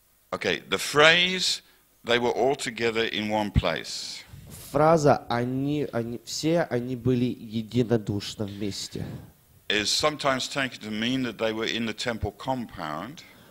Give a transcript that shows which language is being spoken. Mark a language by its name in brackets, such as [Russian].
[English] Okay, the phrase they were all together in one place. [Russian] Фраза они были единодушно вместе. [English] Is sometimes taken to mean that they were in the temple compound.